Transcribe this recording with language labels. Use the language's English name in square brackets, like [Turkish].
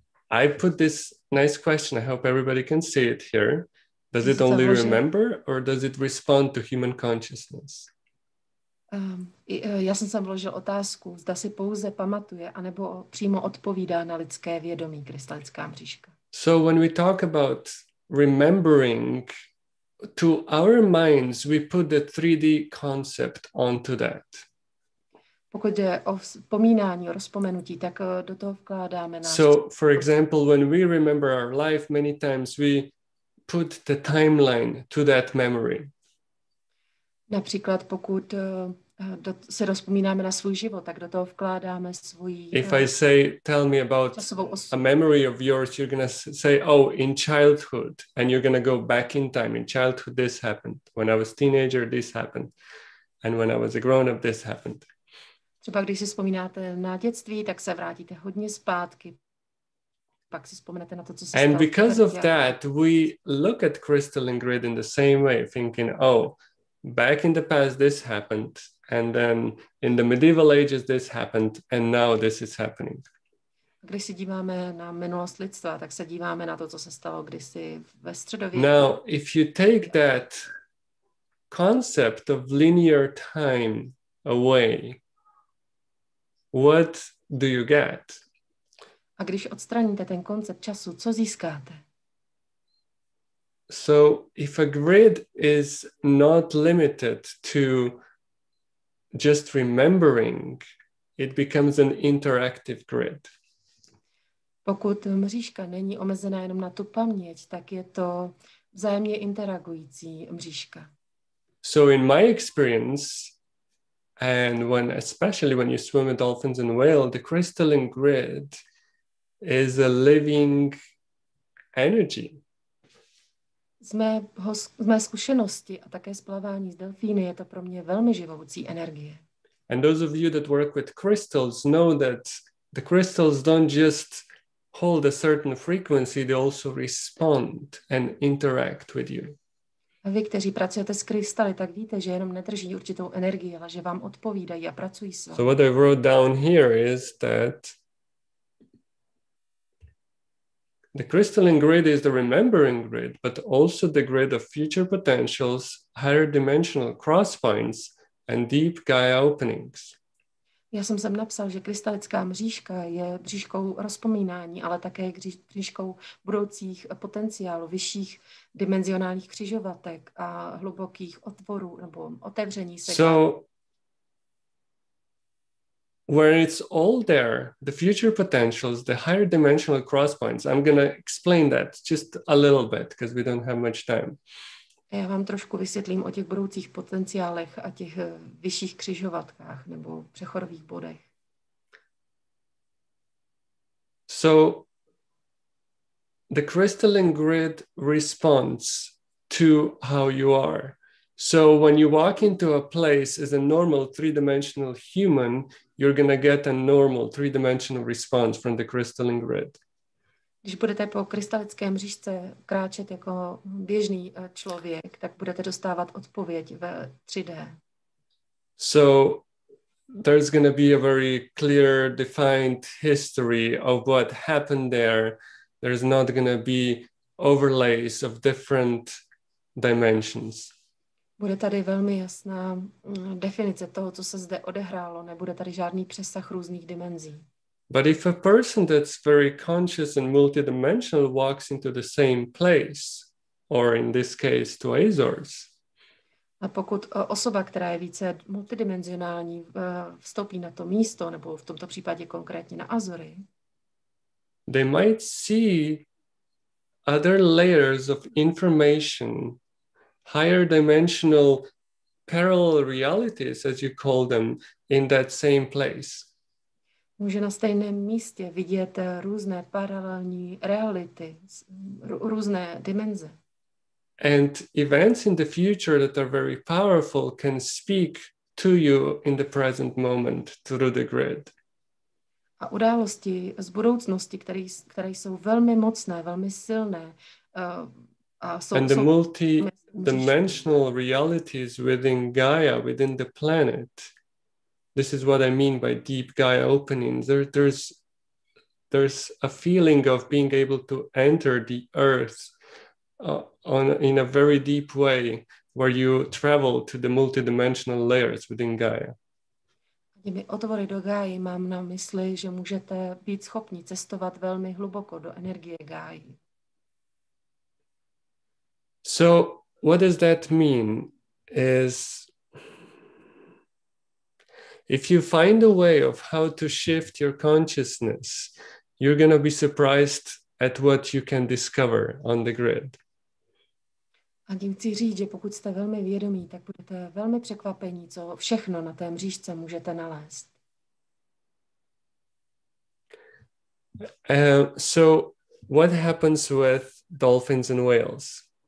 [English] I put this nice question. I hope everybody can see it here. Does it only [Czech] Zavažen. [English] Remember or does it respond to human consciousness? [Czech] Já jsem sem vložil otázku, zda si pouze pamatuje anebo přímo odpovídá na lidské vědomí, krystalická mřížka. [English] So when we talk about remembering, to our minds we put the 3D concept onto that. [Czech] Pokud jde o vzpomínání, o rozpomenutí, tak do toho vkládáme náš. [English] So for example, when we remember our life, many times we put the timeline to that memory. [Czech] Například pokud se rozpomínáme na svůj život, tak do toho vkládáme svůj. [English] If I say, tell me about a memory of yours, you're gonna say, oh, in childhood, and you're gonna go back in time. In childhood, this happened. When I was a teenager, this happened. And when I was a grown-up, this happened. [Czech] Třeba když si vzpomínáte na dětství, tak se vrátíte hodně zpátky. Pak si vzpomenete na to, co se stalo. [English] And because of that, we look at crystalline grid in the same way, thinking, oh, back in the past, this happened, and then in the medieval ages, this happened, and now this is happening. [Czech] Když se díváme na minulost lidstva, tak se díváme na to, co se stalo kdysi ve středověku. [English] Now, if you take that concept of linear time away, what do you get? [Czech] A když odstraníte ten koncept času, co získáte? [English] So if a grid is not limited to just remembering, it becomes an interactive grid. [Czech] Pokud mřížka není omezená jenom na tu paměť, tak je to vzájemně interagující mřížka. [English] So in my experience, and when especially when you swim with dolphins and whales, the crystalline grid is a living energy. [Czech] Z mé zkušenosti a také splavání s delfíny je to pro mě velmi živoucí energie. [English] And those of you that work with crystals know that the crystals don't just hold a certain frequency, they also respond and interact with you. [Czech] A vy, kteří pracujete s krystaly, tak víte, že jenom nedrží určitou energii, ale že vám odpovídají a pracují s vámi. [English] So what I wrote down here is that the crystalline grid is the remembering grid, but also the grid of future potentials, higher dimensional cross points, and deep Gaia openings. [Czech] Já jsem sem napsal, že krystalická mřížka je mřížkou rozpomínání, ale také mřížkou budoucích potenciálů, vyšších dimenzionálních křižovatek a hlubokých otvorů nebo otevření se. [English] So, where it's all there, the future potentials, the higher dimensional cross points. I'm going to explain that just a little bit because we don't have much time. [Czech] Já vám trošku vysvětlím o těch budoucích potenciálech a těch vyšších křižovatkách nebo přechodových bodech. [English] So the crystalline grid responds to how you are. So when you walk into a place as a normal three-dimensional human, you're going to get a normal three-dimensional response from the crystalline grid. [Czech] Když budete po krystalické mřížce kráčet jako běžný člověk, tak budete dostávat odpověď ve 3D. [English] So there's going to be a very clear defined history of what happened there. There's not going to be overlays of different dimensions. [Czech] Bude tady velmi jasná definice toho, co se zde odehrálo, nebude tady žádný přesah různých dimenzí. [English] But if a person that's very conscious and multidimensional walks into the same place, or in this case to Azores. [Czech] A pokud osoba, která je více multidimenzionální, vstoupí na to místo, nebo v tomto případě konkrétně na Azory, [English] they might see other layers of information, higher dimensional parallel realities, as you call them, in that same place. [Czech] Může na stejném místě vidět různé paralelní reality, různé dimenze. [English] And events in the future that are very powerful can speak to you in the present moment through the grid. [Czech] A události z budoucnosti, které jsou velmi mocné, velmi silné, [English] And the multi-dimensional realities within Gaia, within the planet, this is what I mean by deep Gaia opening. There's a feeling of being able to enter the earth in a very deep way, where you travel to the multidimensional layers within Gaia. [Czech] Kdyby otvory do Gáji, mám na mysli, že můžete být schopni cestovat velmi hluboko do energie Gáji. [English] So what does that mean? Is if you find a way of how to shift your consciousness, you're going to be surprised at what you can discover on the grid. A tím chci říct, že pokud jste velmi vědomí, tak budete velmi překvapení, co všechno na té mřížce můžete nalézt. So what happens with dolphins and whales?